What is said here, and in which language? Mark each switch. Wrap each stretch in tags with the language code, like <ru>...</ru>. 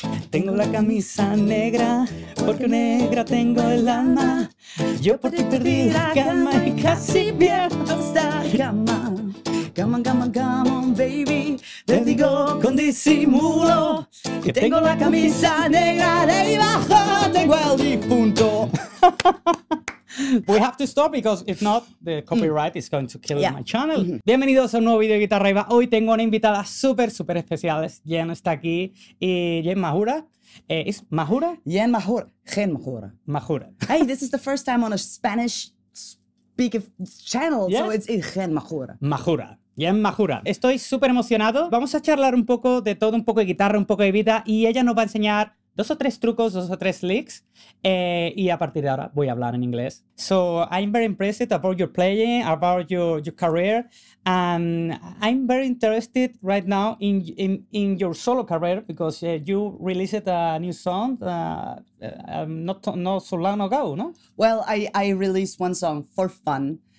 <es>Tengo la camisa negra, porque negra tengo el alma. Yo por ti perdí la calma y casi pierdo esta cama.</es> <en>Come on, come on, come on, baby.</en> <es>Te digo con disimulo que tengo la camisa negra, de ahí abajo tengo el difunto.</es> <en>We have to stop because if not, the copyright is going to kill my channel. Mm-hmm.</en> <es>Bienvenidos a un nuevo vídeo de Guitarra y Va. Hoy tengo una invitada súper, súper especial. Jen está aquí. Y Jen Majura. ¿Es Majura? Jen Majura. Jen Majura. Majura.</es> <en>Hey, this is the first time on a Spanish speak of channel, yes. So it's Jen Majura.</en> <es>Majura. Jen Majura. Estoy súper emocionado. Vamos a charlar un poco de todo, un poco de guitarra, un poco de vida. Y ella nos va a enseñar dos o tres trucos, dos o tres licks, y a partir de ahora voy a hablar en inglés.</es> <en>So I'm very impressed about your playing, about your career, and I'm very interested right now in your solo career because you released a new song not so long ago, no? Well, I released one song for fun.</en>